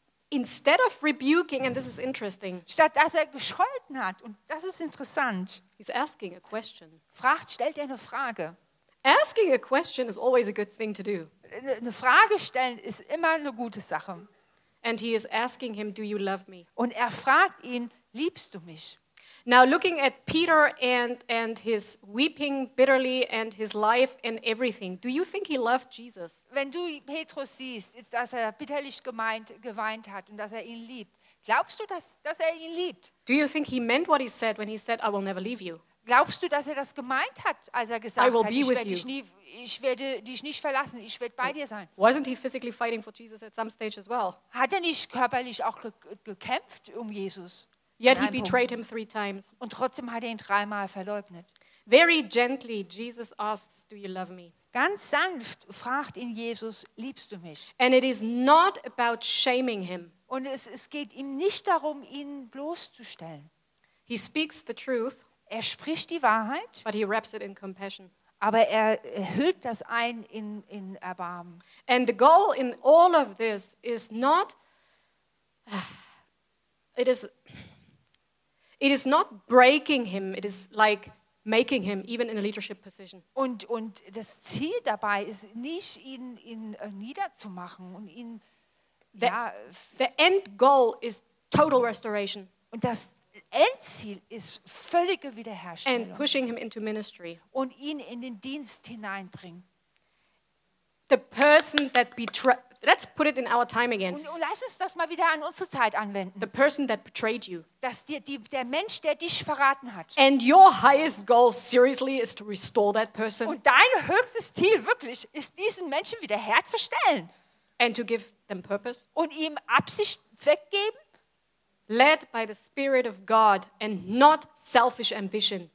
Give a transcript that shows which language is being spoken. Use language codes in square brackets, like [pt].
[en] Instead of rebuking, and this is interesting. [de] Statt dass er gescholten hat, und das ist interessant. [en] He's asking a question. [de] Fragt, stellt er eine Frage. [en] Asking a question is always a good thing to do. [de] Eine Frage stellen ist immer eine gute Sache. [en] And he is asking him, do you love me? [de] Und er fragt ihn, liebst du mich? [en] Now looking at Peter and his weeping bitterly and his life and everything, do you think he loved Jesus? [de] Wenn du Petrus siehst, ist, dass er bitterlich geweint hat und dass er ihn liebt. Glaubst du, dass er ihn liebt? [en] Do you think he meant what he said when he said, I will never leave you? [de] Glaubst du, dass er das gemeint hat, als er gesagt hat, ich werde dich nicht verlassen, ich werde bei dir sein? [en] Wasn't he physically fighting for Jesus at some stage as well? [de] Hat er nicht körperlich auch gekämpft um Jesus? [en] Yet he betrayed him three times. [de] Und trotzdem hat er ihn dreimal verleugnet. [en] Very gently Jesus asks, do you love me? [de] Ganz sanft fragt ihn Jesus, liebst du mich? [en] And it is not about shaming him. [de] Und es geht ihm nicht darum, ihn bloßzustellen. [en] He speaks the truth. [de] Er spricht die Wahrheit. [en] But he wraps it in compassion. [de] Aber er hüllt das ein in Erbarmen. [en] And the goal in all of this is not it is not breaking him, it is like making him even in a leadership position. [de] Und das Ziel dabei ist nicht ihn niederzumachen und ihn [en] the end goal is total restoration. [de] Und das Endziel ist völlige Wiederherstellung. [en] And pushing him into ministry. [de] Und ihn in den Dienst hineinbringen. [en] The person that betrayed. Let's put it in our time again. [de] Und lass es das mal wieder an unsere Zeit anwenden. [en] The person that betrayed you. [de] Dass der Mensch, der dich verraten hat. [en] And your highest goal, seriously, is to restore that person. [de] Und dein höchstes Ziel wirklich ist, diesen Menschen wiederherzustellen. [en] And to give them purpose. [de] Und ihm Absicht, Zweck geben. [en] Led by the Spirit of God and not selfish ambition.